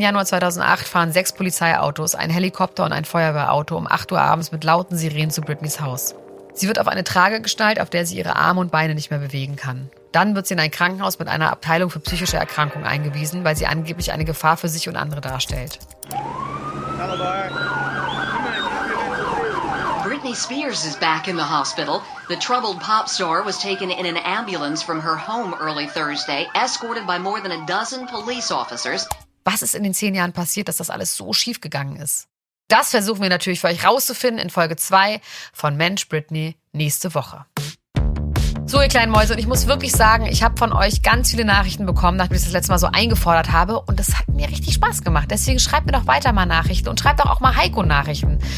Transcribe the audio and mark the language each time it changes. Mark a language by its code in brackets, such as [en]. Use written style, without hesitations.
[de] Januar 2008 fahren 6 Polizeiautos, ein Helikopter und ein Feuerwehrauto um 8 Uhr abends mit lauten Sirenen zu Britneys Haus. Sie wird auf eine Trage geschnallt, auf der sie ihre Arme und Beine nicht mehr bewegen kann. Dann wird sie in ein Krankenhaus mit einer Abteilung für psychische Erkrankungen eingewiesen, weil sie angeblich eine Gefahr für sich und andere darstellt. [en] Britney Spears is back in the hospital. The troubled pop star was taken in an ambulance from her home early Thursday, escorted by more than a dozen police officers. [de] Was ist in den 10 Jahren passiert, dass das alles so schief gegangen ist? Das versuchen wir natürlich für euch rauszufinden in Folge 2 von Mensch Britney nächste Woche. So, ihr kleinen Mäuse, und ich muss wirklich sagen, ich habe von euch ganz viele Nachrichten bekommen, nachdem ich das letzte Mal so eingefordert habe. Und das hat mir richtig Spaß gemacht. Deswegen schreibt mir doch weiter mal Nachrichten und schreibt doch auch mal Heiko Nachrichten.